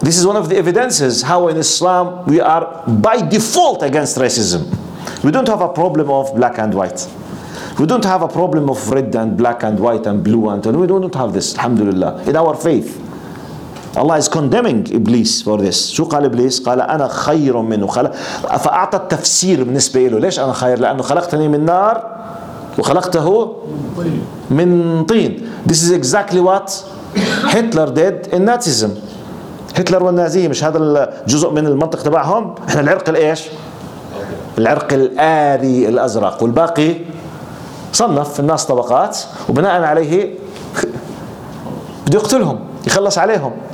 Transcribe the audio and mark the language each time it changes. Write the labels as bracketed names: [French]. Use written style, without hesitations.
[English] This is one of the evidences how in Islam we are by default against racism. We don't have a problem of black and white. We don't have a problem of red and black and white and blue and we don't have this, alhamdulillah, in our faith. Allah is condemning Iblis for this. [Arabic] شو قال إبليس؟ قال أنا خير منه فأعطى التفسير بالنسبة له. ليش أنا خير؟ لأنه خلقتني من نار وخلقته من طين. [English] This is exactly what Hitler did in Nazism. [Arabic] هتلر والنازية مش هذا الجزء من المنطق تبعهم؟ إحنا العرق الإيش؟ العرق الآري الأزرق, والباقي صنف في الناس طبقات وبناء عليه بده يقتلهم يخلص عليهم.